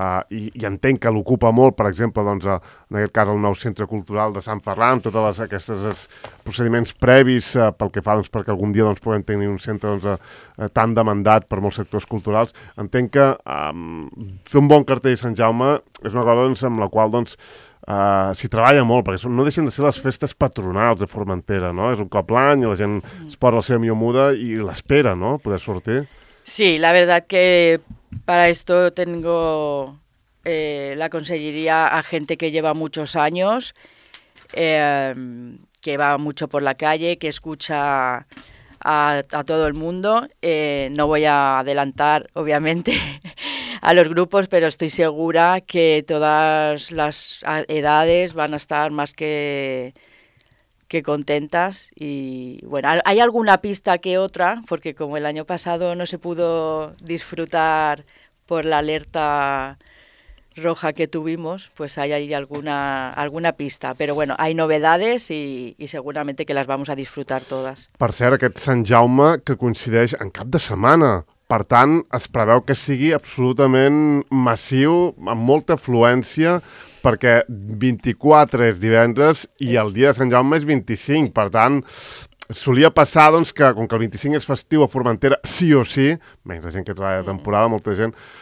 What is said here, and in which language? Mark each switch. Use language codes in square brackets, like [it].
[ca] i entenc que l'ocupa molt, per exemple, doncs, en aquest cas el nou centre cultural de Sant Ferran, totes aquestes procediments previs pel que fa doncs, perquè algun dia doncs, puguem tenir un centre doncs, tan demandat per molts sectors culturals. Entenc que fer un bon cartell de Sant Jaume és una cosa doncs, amb la qual doncs, s'hi treballa molt, perquè no deixen de ser les festes patronals de Formentera, no? És un cop l'any i la gent es porta la seva millor muda i l'espera, no?, poder sortir. [es] Sí, la verdad que para esto tengo la conselleria a gente que lleva muchos años, que va mucho por la calle, que escucha a todo el mundo. No voy a adelantar, obviamente, a los grupos, pero estoy segura que todas las edades van a estar más que contentas. Y bueno, hay alguna pista que otra, porque como el año pasado no se pudo disfrutar por la alerta roja que tuvimos, pues hay ahí alguna pista. Pero bueno, hay novedades y seguramente que las vamos a disfrutar todas. [ca] Per cert, aquest Sant Jaume que coincideix en cap de setmana. Per tant, es preveu que sigui absolutament massiu, amb molta afluència, perquè 24 és divendres i el dia de Sant Jaume és 25. Per tant, solia passar doncs, que, com que el 25 és festiu a Formentera, sí o sí, menys la gent que treballa de temporada, molta gent...